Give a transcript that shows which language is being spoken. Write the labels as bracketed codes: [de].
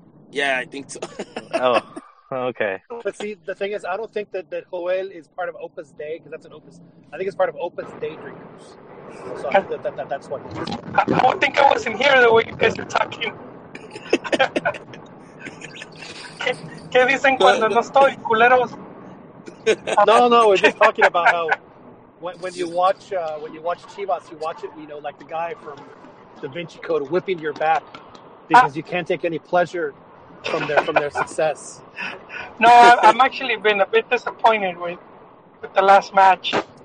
[en] Yeah, I think so. Oh, Okay. But see, the thing is, I don't think that, that Joel is part of Opus Dei, because that's an Opus. I think it's part of Opus Dei Drinkers. So I, that's what it is. I don't think I wasn't here the way you guys are talking. [es] ¿Qué dicen cuando no estoy, culeros? [en] No, no, we're just talking about how when you watch Chivas, you watch it, you know, like the guy from Da Vinci Code whipping your back because you can't take any pleasure from their success. No, I'm actually been a bit disappointed with the last match.